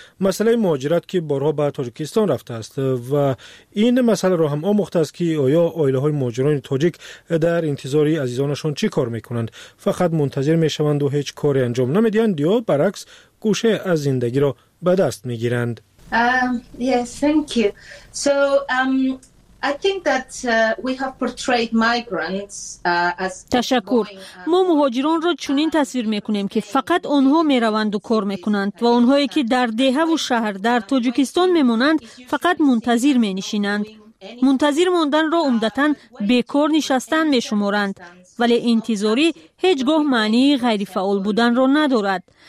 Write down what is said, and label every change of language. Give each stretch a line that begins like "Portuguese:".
Persian: مسئله مهاجرت که بارها به تاجیکستان رفته است و این مسئله را هم آموخته است که آیا آیله های مهاجران تاجیک در انتظار عزیزانشان چی کار میکنند؟ فقط منتظر میشوند و هیچ کاری انجام نمیدهند یا برعکس گوشه از زندگی را به دست می گیرند؟
English: Yes, thank you. So, I think that we have portrayed migrants as
Persian: تشکر. ما مهاجران را چنین تصویر میکنیم که فقط آنها میروند و کار میکنند و آنهایی که در دهه و شهر در تاجیکستان میمانند فقط منتظر مینشینند. منتظر ماندن را عمدتاً بیکار نشستن میشمارند. ولی انتظاری هیچگاه معنی غیر فعال بودن را ندارد.